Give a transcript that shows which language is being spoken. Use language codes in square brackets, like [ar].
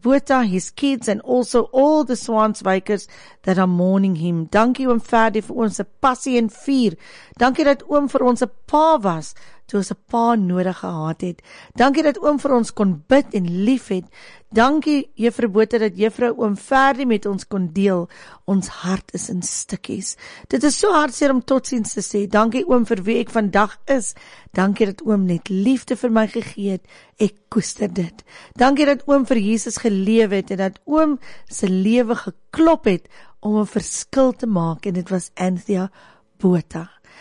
[en] Bota, his kids, and also all the Swanswijkers that are mourning him. [af] Dankie oom Verdi vir ons passie en vuur. Dankie dat oom vir ons 'n pa was, toe ons 'n pa nodig gehad het. Dankie dat oom vir ons kon bid en lief het. Dankie juffrou Bota, dat juffrou oom Verdi met ons kon deel. Ons hart is in stukkies. Dit is so hartseer om totsiens te sê. Dankie oom vir wie ek vandag is. Dankie dat oom net liefde vir my gegee het. Ek koester dit. Dankie dat oom vir Jesus geleef het en dat oom se lewe geklop het om 'n verskil te maak en dit was Anthea Bota.